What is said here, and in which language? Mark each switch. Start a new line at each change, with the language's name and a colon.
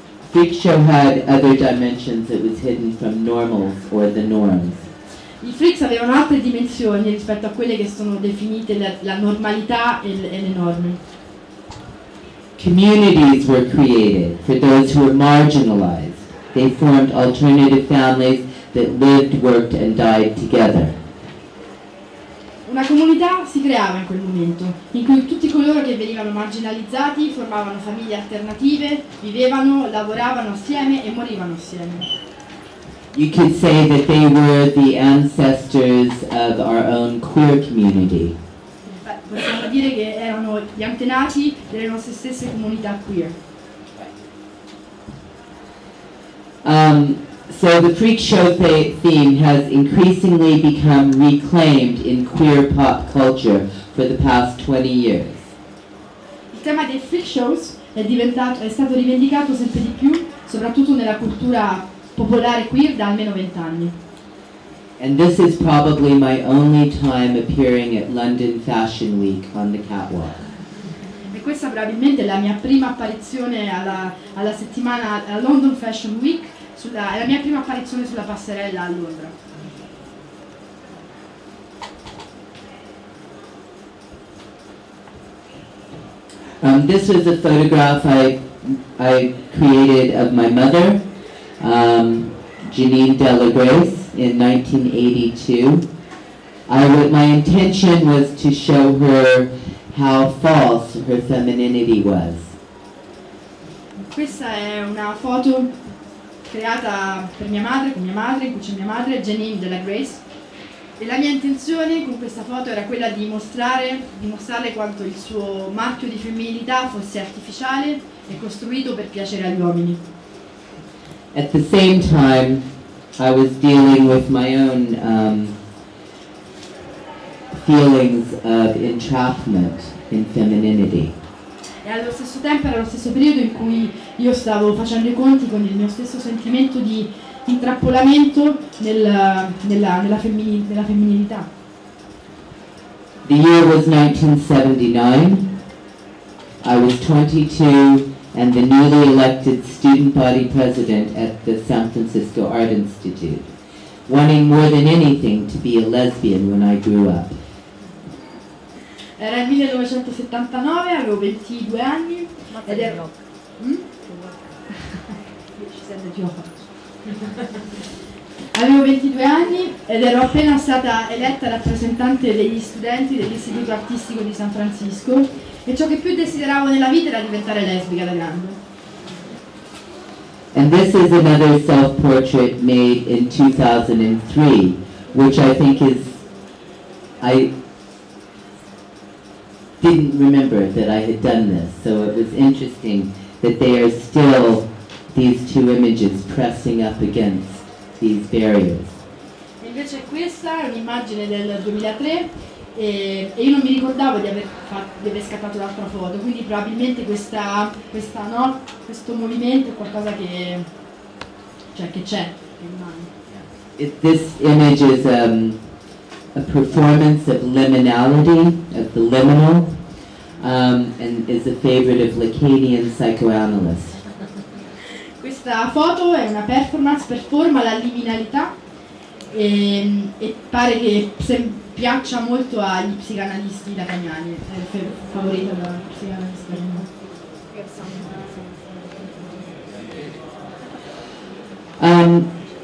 English: Freak show had other dimensions that was hidden from normals or the norms.
Italian: I freaks avevano altre dimensioni rispetto a quelle che sono definite la normalità e le norme.
English: Communities were created for those who were marginalized. They formed alternative families that lived, worked and died together.
Italian: Una comunità si creava in quel momento, in cui tutti coloro che venivano marginalizzati formavano famiglie alternative, vivevano, lavoravano assieme e morivano assieme.
English: You could say that they were the ancestors of our own queer community.
Italian: Possiamo dire che erano gli antenati delle nostre stesse comunità queer.
English: So the freak show theme has increasingly become reclaimed in queer pop culture for the past 20 years.
Italian: Il tema dei freak shows è stato rivendicato sempre di più, soprattutto nella cultura popolare queer da almeno 20 anni.
English: And this is probably my only time appearing at London Fashion Week on the catwalk.
Italian: E questa probabilmente è la mia prima apparizione alla settimana a London Fashion Week. È la mia prima apparizione sulla passerella a Londra.
English: This is a photograph I created of my mother, Jeanine Della Grace, in 1982. My intention was to show her how false her femininity was.
Italian: Questa è una foto creata per mia madre, con mia madre, in cui c'è mia madre, Jeanine Della Grace. E la mia intenzione con questa foto era quella di mostrarle quanto il suo marchio di femminilità fosse artificiale e costruito per piacere agli uomini.
English: At the same time, I was dealing with my own feelings of entrapment in femininity.
Italian: E allo stesso tempo era lo stesso periodo in cui io stavo facendo i conti con il mio stesso sentimento di intrappolamento nella femminilità.
English: The year was 1979. I was 22 and the newly elected student body president at the San Francisco Art Institute, wanting more than anything to be a lesbian when I grew up.
Italian: Era il 1979, avevo 22 anni. Ma te lo ci avevo 22 anni ed ero appena stata eletta rappresentante degli studenti dell'Istituto Artistico di San Francisco e ciò che più desideravo nella vita era diventare lesbica da grande.
English: And this is another self-portrait made in 2003, which I think is... I didn't remember that I had done this, so it was interesting that they are still these two images pressing up against these barriers.
Italian: Invece questa è un'immagine del 2003 e io non mi ricordavo di aver scattato l'altra foto, quindi probabilmente questo movimento è qualcosa che rimane.
English: This image is a performance of liminality, of the liminal, and is a favorite of Lacanian psychoanalysts.
Italian: Questa foto è una performance performa la liminalità e pare che piaccia molto agli psicanalisti lacaniani, è favorito da psicanalista.